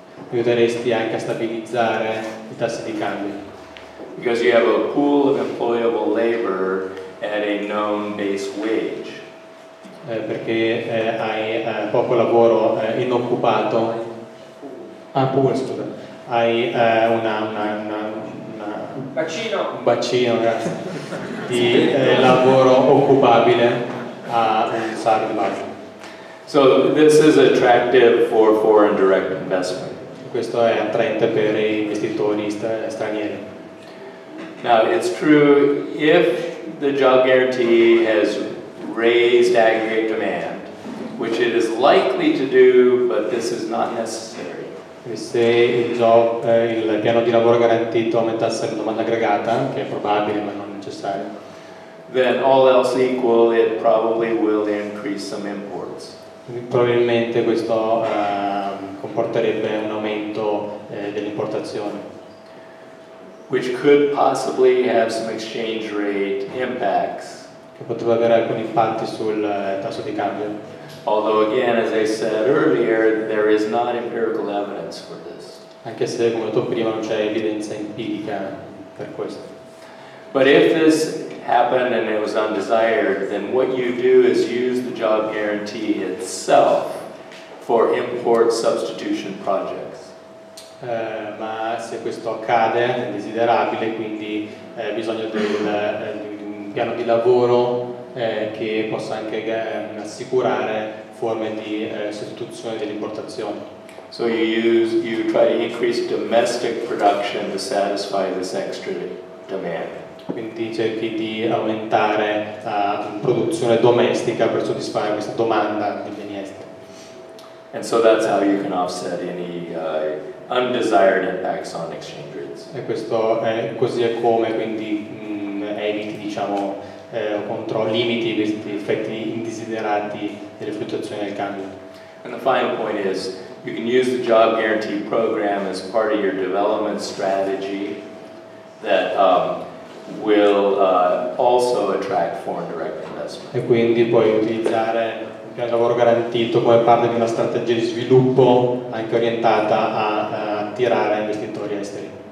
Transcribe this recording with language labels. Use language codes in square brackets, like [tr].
[it] Aiuteresti anche a stabilizzare i tassi di cambio. [en] Because you have a pool of employable labor at a known base wage. [it] Perché hai poco lavoro inoccupato. Ah, pool, scusa. Hai un bacino, grazie. Di lavoro occupabile a un salario basso. [en] So this is attractive for foreign direct investment. [it] Questo è attraente per gli investitori stranieri. [en] Now, it's true, if the job guarantee has raised aggregate demand, which it is likely to do, but this is not necessary. [it] E se il piano di lavoro garantito aumentasse la domanda aggregata, che è probabile ma non necessario, [en] then all else equal, it probably will increase some imports. [it] Probabilmente questo comporterebbe un aumento delle importazioni. [en] Which could possibly have some exchange rate impacts. [it] Che potrebbe avere alcuni impatti sul tasso di cambio. [en] Although again, as I said earlier, there is not empirical evidence for this. [it] Anche se, come ho detto prima, non c'è evidenza empirica per questo. [en] But if this happened and it was undesired, then what you do is use the job guarantee itself for import substitution projects. [it] Ma se questo accade, è desiderabile, quindi bisogno di un piano di lavoro che possa anche assicurare forme di sostituzione dell'importazione. [en] So you try to increase domestic production to satisfy this extra demand. [it] Quindi cerchi di aumentare la produzione domestica per soddisfare questa domanda di beni esteri. [en] And so that's how you can offset any undesired impacts on exchange rates. [it] E questo è così è come quindi eviti diciamo controlli limiti questi effetti indesiderati delle fluttuazioni del cambio. [en] And the final point is you can use the job guarantee program as part of your development strategy that will also attract foreign direct investment. [it] E quindi puoi utilizzare il piano di lavoro garantito come parte di una strategia di sviluppo anche orientata a attirare investitori esteri.